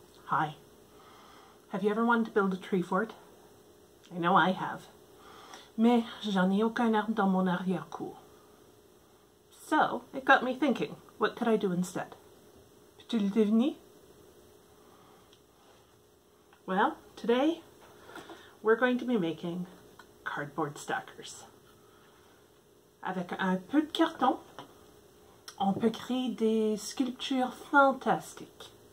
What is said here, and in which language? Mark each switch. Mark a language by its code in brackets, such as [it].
[en] Have you ever wanted to build a tree fort? I know I have. [fr] Mais j'en ai aucun arbre dans mon arrière-cour. [en] So, it got me thinking. What could I do instead? [fr] Peux-tu le deviner? [en] Well, today, we're going to be making cardboard stackers. [fr] Avec un peu de carton, on peut créer des sculptures fantastiques.